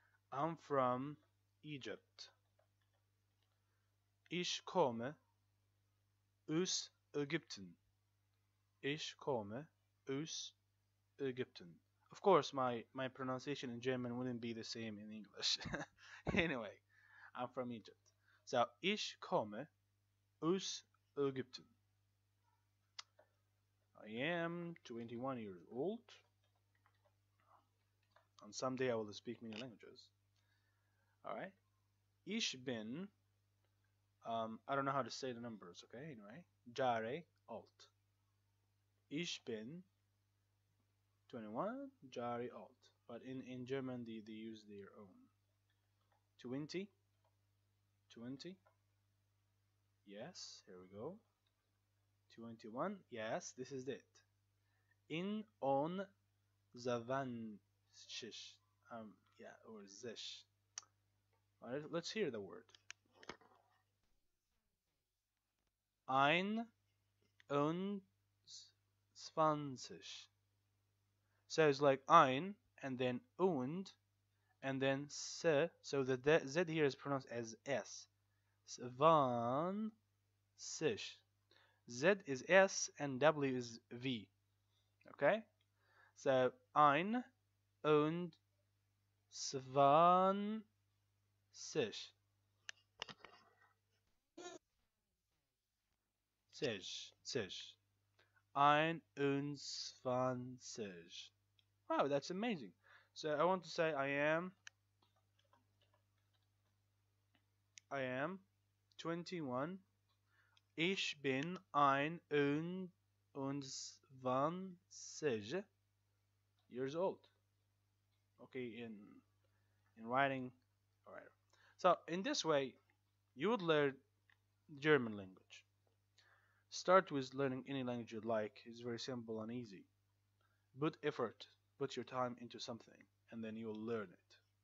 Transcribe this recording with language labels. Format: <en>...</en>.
<en>I'm from Egypt.</en> <de>Ich komme aus Ägypten. Ich komme aus Ägypten.</de> <en>Of course, my pronunciation in German wouldn't be the same in English. Anyway, I'm from Egypt.</en> <de>So, ich komme aus Ägypten.</de> <en>I am 21 years old. And someday I will speak many languages. Alright.</en> <de>Ich bin...</de> <en>I don't know how to say the numbers, okay? Anyway.</en> <de>Jahre alt. Ich bin 21 Jahre alt.</de> <en>But in German, they use their own. 20. Yes, here we go. 21. Yes, this is it. In on zavan shish. Or zish. All right, let's hear the word.</en> <de>Ein und Zwanzig.</de> <en>So it's like ein and then und and then se. So the z here is pronounced as s. Zwanzig. Z is s and w is v. Okay?</en> <de>So ein und zwanzig. Zwanzig. Ein und zwanzig.</de> <en>Wow, that's amazing. So I want to say I am 21.</en> <de>Ich bin ein und zwanzig</de> <en>years old. Okay, in writing. Alright. So in this way, you would learn German language. Start with learning any language you'd like. It's very simple and easy. Put effort, put your time into something, and then you'll learn it.</en>